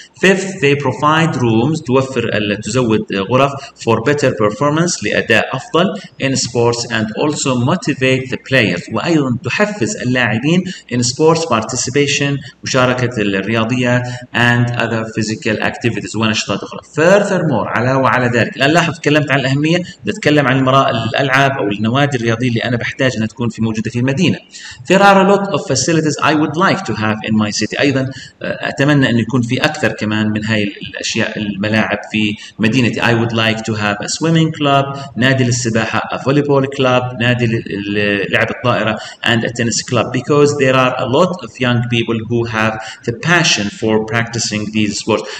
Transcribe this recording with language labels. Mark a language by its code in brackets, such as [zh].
[en] Fifth, they provide rooms، [ar] توفر تزود غرف [en] for better performance، [ar] لأداء أفضل [en] in sports and also motivate the players، [ar] وأيضا تحفز اللاعبين [en] in sports participation، [ar] مشاركة الرياضية [en] and other physical activities [ar] ونشاطات أخرى. Furthermore، على وعلى ذلك الآن لاحظ تكلمت عن الأهمية، نتكلم عن الألعاب أو النوادي الرياضية اللي أنا بحتاج أنها تكون في موجودة في المدينة. [en] There are a lot of facilities I would like to have in my city. [ar] أيضا أتمنى أن يكون في أكثر كمان من هاي الأشياء الملاعب في مدينتي. [en] I would like to have a swimming club، [ar] نادي للسباحة، [en] a volleyball club، [ar] نادي للعب الطائرة، [en] and a tennis club because there are a lot of young people who have the passion for practicing these sports.